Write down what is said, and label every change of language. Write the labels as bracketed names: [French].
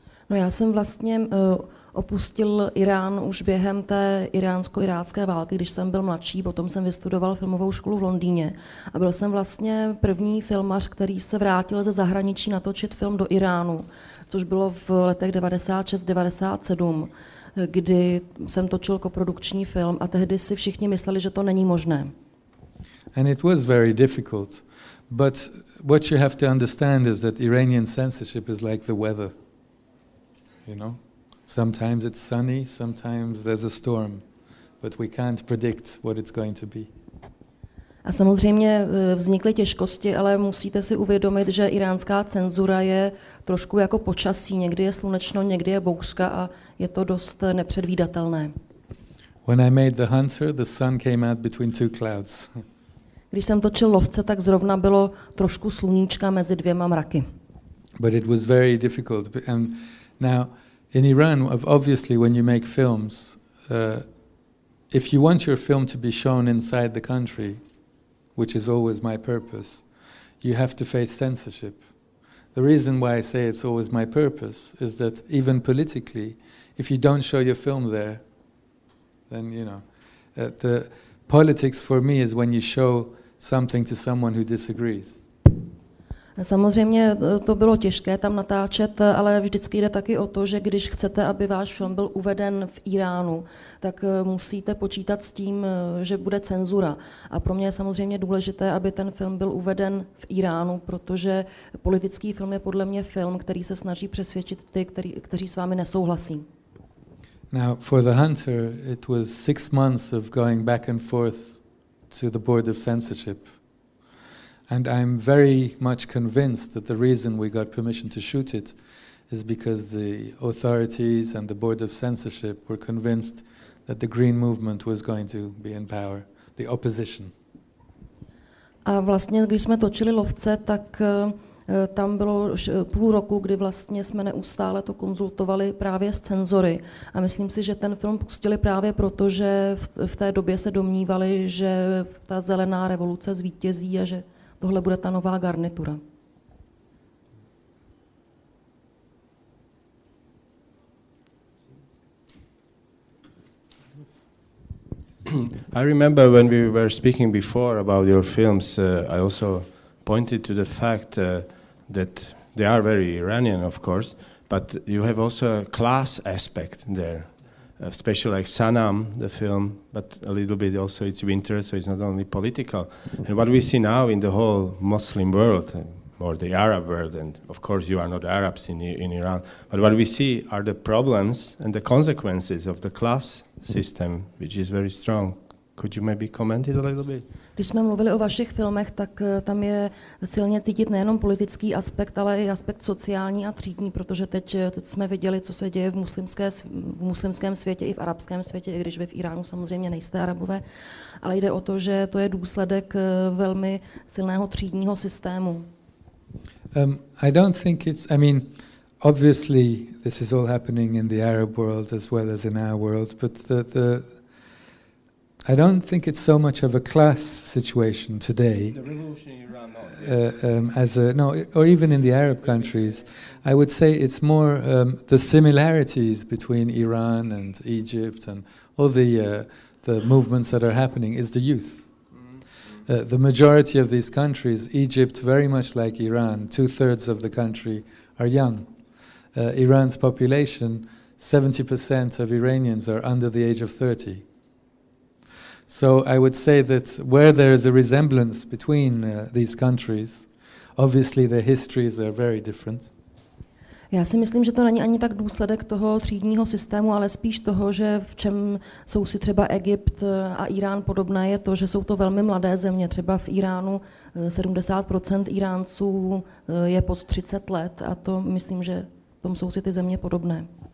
[Czech] No, já jsem vlastně opustil Irán už během té iránsko-irácké války, když jsem byl mladší, potom jsem vystudoval filmovou školu v Londýně a byl jsem vlastně první filmař, který se vrátil ze zahraničí natočit film do Iránu, což bylo v letech 96-97, kdy jsem točil koprodukční film a tehdy si všichni mysleli, že to není možné. [English] And it was very difficult, but what you have to understand is that Iranian censorship is like the weather. You know, sometimes it's sunny, sometimes there's a storm, but we can't predict what it's going to be. [Czech] A samozřejmě vznikly těžkosti, ale musíte si uvědomit, že iránská cenzura je trošku jako počasí. Někdy je slunečno, někdy je bouřka a je to dost nepředvídatelné. [English] When I made The Hunter, the sun came out between two clouds. [Czech] Když jsem točil Lovce, tak zrovna bylo trošku sluníčka mezi dvěma mraky. [English] But it was very difficult. And now, in Iran, obviously, when you make films, if you want your film to be shown inside the country, which is always my purpose, you have to face censorship. The reason why I say it's always my purpose is that even politically, if you don't show your film there, then, you know, the politics for me is when you show something to someone who disagrees. [Czech] Samozřejmě to bylo těžké tam natáčet, ale vždycky jde taky o to, že když chcete, aby váš film byl uveden v Iránu, tak musíte počítat s tím, že bude cenzura. A pro mě je samozřejmě důležité, aby ten film byl uveden v Iránu, protože politický film je podle mě film, který se snaží přesvědčit ty, kteří s vámi nesouhlasí. [English] Now for The Hunter, it was 6 months of going back and forth to the board of censorship. And I'm very much convinced that the reason we got permission to shoot it is because the authorities and the board of censorship were convinced that the green movement was going to be in power, the opposition. [Czech] A vlastně, když jsme točili Lovce, tak tam bylo půl roku, kdy vlastně jsme neustále to konzultovali právě s cenzory. A myslím si, že ten film pustili právě proto, že v té době se domnívali, že ta zelená revoluce zvítězí a že tohle bude ta nová garnitura. [English] I remember when we were speaking before about your films, I also pointed to the fact that they are very Iranian, of course, but you have also a class aspect there, especially like Sanam, the film, but a little bit also it's winter, so it's not only political. And what we see now in the whole Muslim world, or the Arab world, and of course you are not Arabs in Iran, but what we see are the problems and the consequences of the class system, which is very strong. Could you maybe comment it a little bit? [Czech] Když jsme mluvili o vašich filmech, tak tam je silně cítit nejenom politický aspekt, ale i aspekt sociální a třídní, protože teď jsme viděli, co se děje v muslimském světě i v arabském světě, i když vy v Iránu samozřejmě nejste Arabové, ale jde o to, že to je důsledek velmi silného třídního systému. [English] I don't think it's, I mean, Obviously, this is all happening in the Arab world as well as in our world, but I don't think it's so much of a class situation today. The revolution in Iran, or even in the Arab countries, I would say it's more the similarities between Iran and Egypt and all the movements that are happening is the youth. The majority of these countries, Egypt very much like Iran, 2/3 of the country are young. Iran's population, 70% of Iranians are under the age of 30. So I would say that where there is a resemblance between these countries, obviously their histories are very different. [Czech] Já si myslím, že to není ani tak důsledek toho třídního systému, ale spíš toho, že v čem jsou si třeba Egypt a Irán podobné, je to, že jsou to velmi mladé země. Třeba v Iránu 70% Iránců je pod 30 let a to myslím, že v tom jsou si ty země podobné.